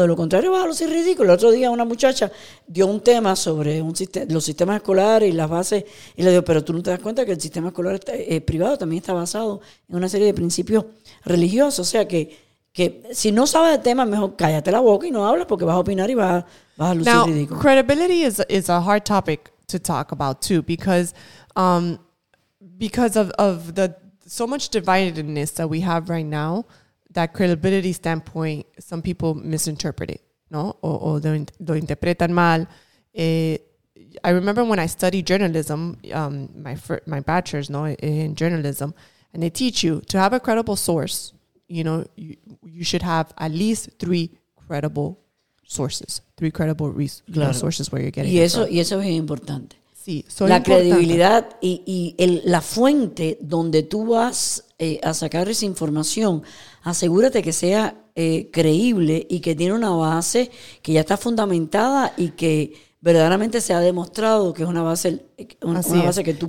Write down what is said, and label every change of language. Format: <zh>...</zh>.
<es>De lo contrario, vas a lucir ridículo. El otro día una muchacha dio un tema sobre los sistemas escolares y las bases, y le dijo, pero tú no te das cuenta que el sistema escolar privado también está basado en una serie de principios religiosos. O sea que si no sabes el tema, mejor cállate la boca y no hablas porque vas a opinar y vas a lucir</es> <en>Now,</en> <es>ridículo.</es> <en>Now, credibility is a hard topic to talk about too because of the so much dividedness that we have right now, that credibility standpoint, some people misinterpret it, no?</en> <es>O lo interpretan mal.</es> <en>I remember when I studied journalism, my bachelor's, no, in journalism, and they teach you to have a credible source, you know, you should have at least three credible sources where you're getting it from.</en> <es>Y eso es importante. La credibilidad y la fuente donde tú vas a sacar esa información, asegúrate que sea creíble y que tiene una base que ya está fundamentada y que verdaderamente se ha demostrado que es una base, una base que tú</es>